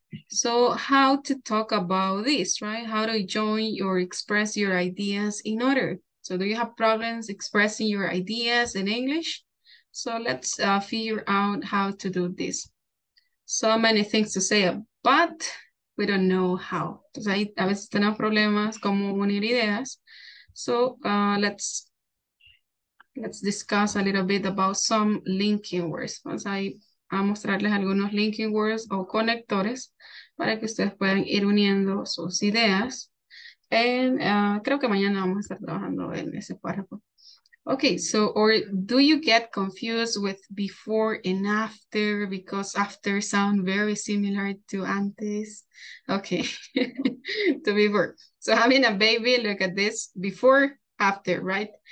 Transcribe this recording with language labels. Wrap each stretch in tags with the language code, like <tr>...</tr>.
<en>So how to talk about this, right? How to join or express your ideas in order. So do you have problems expressing your ideas in English? So let's figure out how to do this. So many things to say, but we don't know how.</en> <es>Entonces, ahí a veces tenemos problemas como unir ideas.</es> <en>So let's discuss a little bit about some linking words.</en> <es>Vamos a mostrarles algunos linking words o conectores para que ustedes puedan ir uniendo sus ideas. And creo que mañana vamos a estar trabajando en ese párrafo.</es> <en>Okay, so, or do you get confused with before and after, because after sound very similar to antes? Okay, to before. So having a baby, look at this, before, after, right?</en>